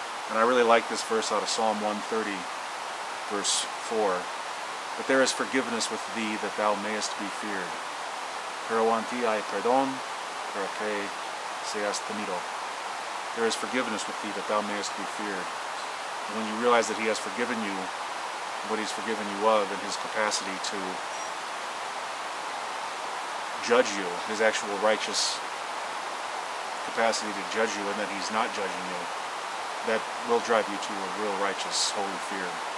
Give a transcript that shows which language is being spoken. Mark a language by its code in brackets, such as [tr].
[en] And I really like this verse out of Psalm 130. Verse 4, but there is forgiveness with thee that thou mayest be feared. [es] Pero en ti hay perdón para que seas temido. [en] There is forgiveness with thee that thou mayest be feared. And when you realize that he has forgiven you, what he's forgiven you of, and his capacity to judge you, his actual righteous capacity to judge you, and that he's not judging you, that will drive you to a real righteous, holy fear.